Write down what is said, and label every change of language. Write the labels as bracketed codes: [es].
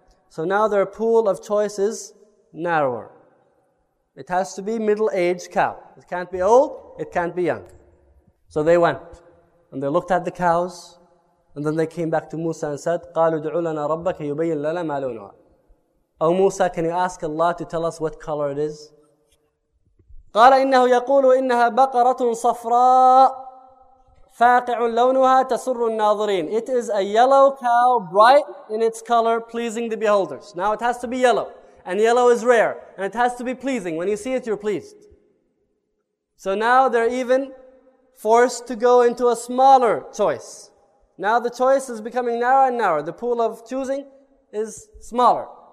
[en] So now their pool of choice is narrower. It has to be middle-aged cow. It can't be old, it can't be young. So they went, and they looked at the cows, and then they came back to Musa and said, [ar] قَالُوا دُعُوا لَنَا رَبَّكَ يُبَيِّن لَنَا مَا لَوْنُهَا. [en] Oh Musa, can you ask Allah to tell us what color it is? [ar] قال إنه يقول إنها بقرة صفراء فاقع لونها تسر الناظرين. [en] It is a yellow cow, bright in its color, pleasing the beholders. Now it has to be yellow, and yellow is rare, and it has to be pleasing. When you see it, you're pleased. So now they're even forced to go into a smaller choice. Now the choice is becoming narrower and narrower. The pool of choosing is smaller.